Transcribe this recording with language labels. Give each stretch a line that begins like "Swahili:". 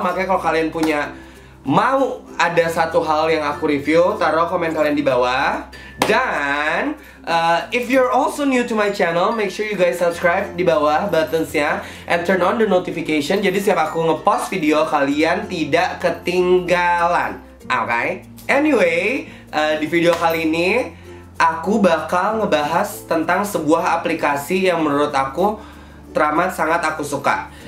Indonesian: Makanya kalau kalian punya mau ada satu hal yang aku review, taruh komen kalian di bawah.
English: Dan if you're also new to my channel, make sure you guys subscribe
Indonesian: di bawah buttonsnya
English: and turn on the notification.
Indonesian: Jadi setiap aku ngepost video, kalian tidak ketinggalan. Okay? Anyway, di video kali ini aku bakal ngebahas tentang sebuah aplikasi yang menurut aku teramat sangat aku suka.